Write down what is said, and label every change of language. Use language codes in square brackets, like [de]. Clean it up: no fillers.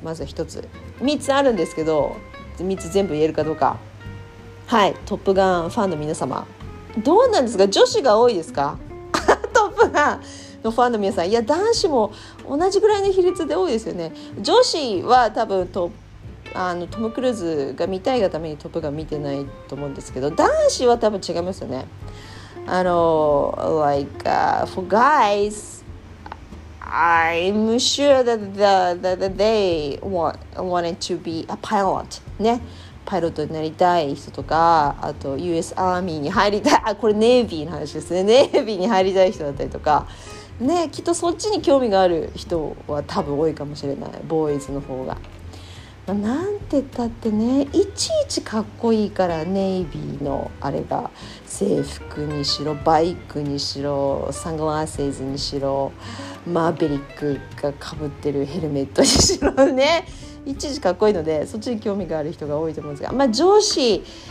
[ja] まず1つ、3つあるんですけど、3つ全部言えるかどうか、はい、トップガンファンの皆様どうなんですか、女子が多いですかトップガンのファンの皆さん、いや男子も同じぐらいの比率で多いですよね。女子は多分トム・クルーズが見たいがためにトップガン見てないと思うんですけど、男子は多分違いますよね。 [en] For guys, I'm sure that they wanted to be a pilot. [ja] ね、パイロットになりたい人とか、あと US Army に入りたい、あ、これネイビーの話ですね。ネイビーに入りたい人だったりとか、ね、きっとそっちに興味がある人は多分多いかもしれない。ボーイズの方が、まあ、なんて言ったってね、いちいちかっこいいから、ネイビーのあれが制服にしろバイクにしろサングラスズにしろマーベリックが被ってるヘルメットにしろね、いちいちかっこいいのでそっちに興味がある人が多いと思うんですが、まあ上司